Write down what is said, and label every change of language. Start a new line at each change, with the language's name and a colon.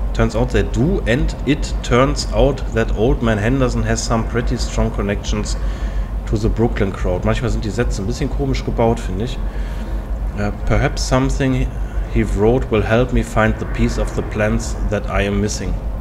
English: Turns out that old man Henderson has some pretty strong connections to the Brooklyn crowd.
German: Manchmal sind die Sätze ein bisschen komisch gebaut, finde ich.
English: Perhaps something he wrote will help me find the piece of the plans that I am missing.